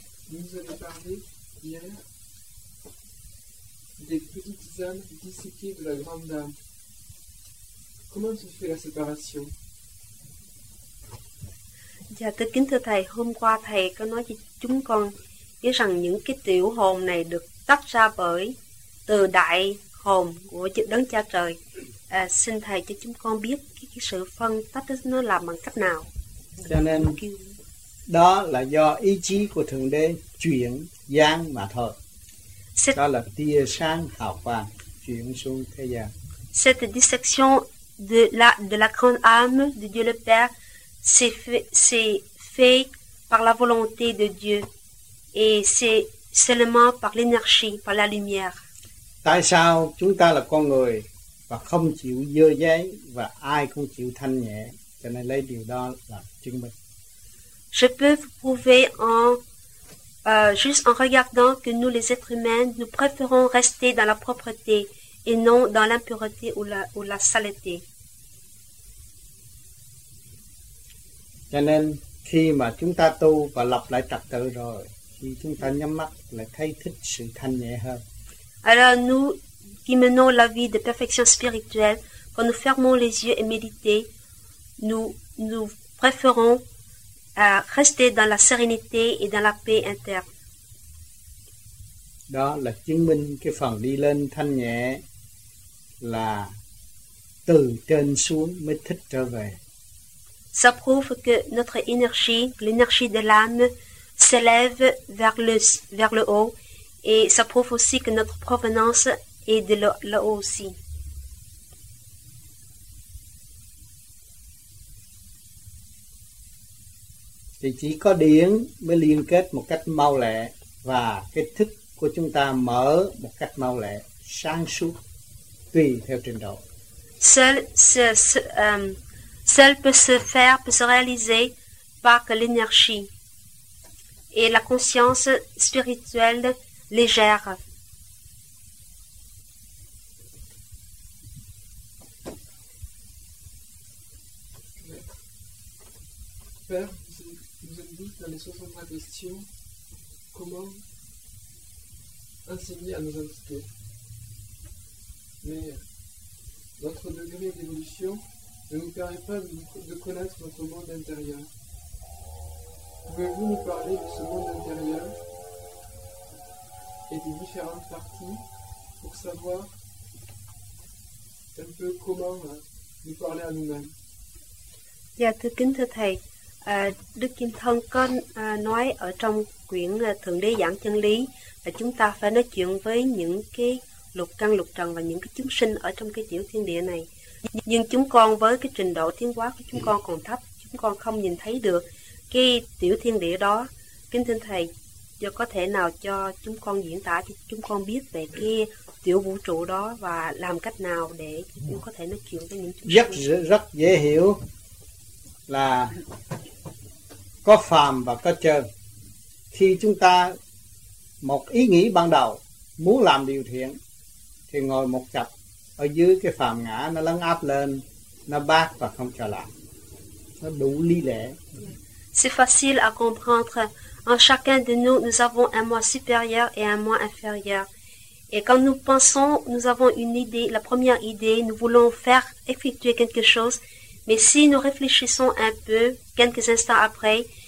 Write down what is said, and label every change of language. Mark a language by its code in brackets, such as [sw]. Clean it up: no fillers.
[fr] Nous avons parlé hier des petites âmes disséquées de la grande âme. Comment se fait la séparation? [vi] Dạ, thưa kính thưa thầy, hôm qua thầy có nói cho chúng con biết rằng những cái tiểu hồn này được tách ra bởi từ đại hồn của chữ Đấng Cha Trời. À, xin thầy cho chúng con biết cái sự phân tách nó là bằng cách nào. Cho nên đó là do ý chí của Thượng Đế chuyển gian mà thôi. Đó là tia sáng hào quang chuyển xuống thế gian. [fr] Cette distinction de la grande âme de Dieu le Père c'est fait par la volonté de Dieu et c'est seulement par l'énergie, par la lumière. [vi] Tại sao chúng ta là con người và không chịu dơ dáy và ai cũng chịu thanh nhẹ, cho nên lấy điều đó là chứng minh. [fr] Je peux vous prouver juste en regardant que nous les êtres humains nous préférons rester dans la propreté et non dans l'impureté ou la saleté. [vi] Cho nên khi mà chúng ta tu và lập lại trật tự rồi thì chúng ta nhắm mắt lại thấy thích sự thanh nhẹ hơn. [fr] Alors nous qui menons la vie de perfection spirituelle, quand nous fermons les yeux et méditons, nous préférons rester dans la sérénité et dans la paix interne. [vi] Đó là chứng minh cái phần đi lên thanh nhẹ là từ trên xuống mới thích trở về. [fr] Ça prouve que notre énergie, l'énergie de l'âme, s'élève vers le haut et ça prouve aussi que notre provenance est de le haut aussi. [vi] Thì chỉ có điển mới liên kết một cách mau lẹ và cái thức của chúng ta mở một cách mau lẹ, sáng suốt, tùy theo trình độ. [fr] Seul peut se faire, peut se réaliser par l'énergie et la conscience spirituelle légère. Père, vous avez dit dans les 63 questions, comment enseigner à nos invités. Mais votre degré d'évolution ne nous permet pas de connaître notre monde intérieur. Pouvez-vous nous parler de ce monde intérieur et des différentes parties pour savoir un peu comment nous parler à nous-mêmes? [vi] Dạ, thưa kính thưa thầy, Đức Kim Thân có nói ở trong quyển Thượng Đế Giảng Chân Lý là chúng ta phải nói chuyện với những cái lục căn lục trần và những cái chúng sinh ở trong cái tiểu thiên địa này. Nhưng chúng con với cái trình độ tiến hóa của chúng con còn thấp, chúng con không nhìn thấy được cái tiểu thiên địa đó. Kính thưa thầy, giờ có thể nào cho chúng con diễn tả cho chúng con biết về cái tiểu vũ trụ đó và làm cách nào để chúng có thể nói chuyện với những chúng rất sinh? Rất dễ hiểu là có phàm và có trần. Khi chúng ta một ý nghĩ ban đầu muốn làm điều thiện thì ngồi một chập ở dưới cái phàm ngã, nó lấn áp lên, nó bác và không cho làm, nó đủ lý lẽ. [fr] C'est facile à comprendre. En chacun de nous, nous avons un moi supérieur et un moi inférieur. Et quand nous pensons, nous avons une idée, la première idée, nous voulons faire effectuer quelque chose. Mais si nous réfléchissons un peu, quelques instants après,